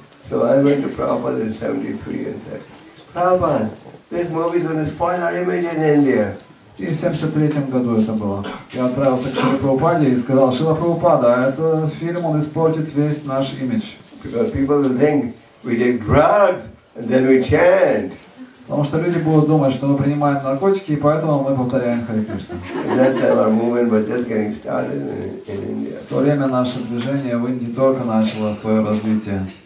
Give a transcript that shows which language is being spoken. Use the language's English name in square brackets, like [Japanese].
[English] So I went to Prabhupada in 73 and said, Prabhupada, this movie is going to spoil our image in India. [Russian] И в 73-м году это было. Я отправился к Шриле Прабхупаде и сказал, Шрила Прабхупада, этот фильм, он испортит весь наш имидж. [English] Because people think we take drugs and then we chant. [Russian] Потому что люди будут думать, что мы принимаем наркотики, и поэтому мы повторяем Харе Кришна. В то время наше движение в Индии только начало свое развитие.